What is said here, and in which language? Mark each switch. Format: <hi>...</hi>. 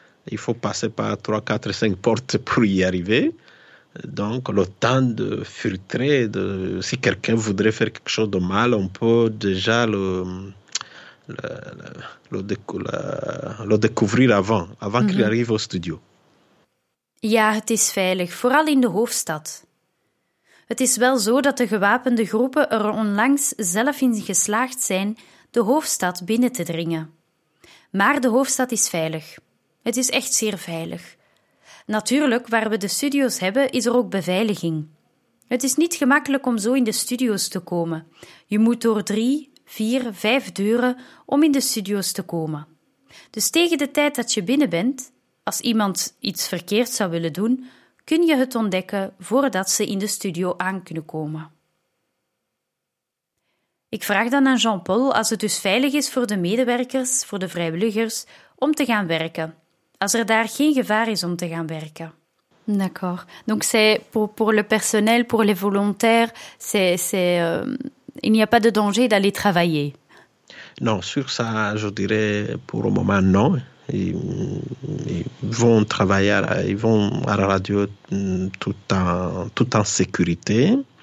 <fr>Il faut passer par 3, 4, 5 portes pour y arriver. Donc, le temps de filtrer, si quelqu'un voudrait faire quelque chose de mal, on peut déjà le découvrir avant mm-hmm. qu'il arrive au studio.</fr> <nl>Ja, het is veilig, vooral in de hoofdstad. Het is wel zo dat de gewapende groepen er onlangs zelf in geslaagd zijn de hoofdstad binnen te dringen. Maar de hoofdstad is veilig. Het is echt zeer veilig. Natuurlijk, waar we de studio's hebben, is er ook beveiliging. Het is niet gemakkelijk om zo in de studio's te komen. Je moet door 3, 4, 5 deuren om in de studio's te komen. Dus tegen de tijd dat je binnen bent, als iemand iets verkeerd zou willen doen, kun je het ontdekken voordat ze in de studio aan kunnen komen. Ik vraag dan aan Jean-Paul als het dus veilig is voor de medewerkers, voor de vrijwilligers, om te gaan werken. Als er daar geen gevaar is om te gaan werken.</nl> <fr>D'accord. Donc c'est pour le personnel, pour les volontaires, il n'y a pas de danger d'aller travailler. Non, sur ça, je dirais pour le moment, non. Ils vont à la radio tout en sécurité.</fr>